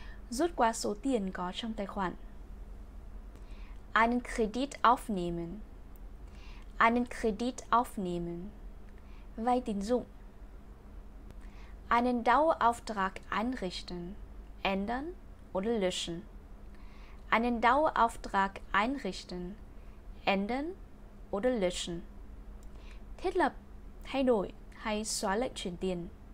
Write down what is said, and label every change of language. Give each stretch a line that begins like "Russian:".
Vietnamese: Rút quá số tiền có trong tài khoản.
German: Einen Kredit aufnehmen.
Vietnamese: Vay tín dụng.
German: Einen Dauerauftrag einrichten. Ändern oder löschen. Einen Dauerauftrag einrichten. Ändern oder löschen.
Vietnamese: Thiết lập, thay đổi hay xóa lệnh chuyển tiền.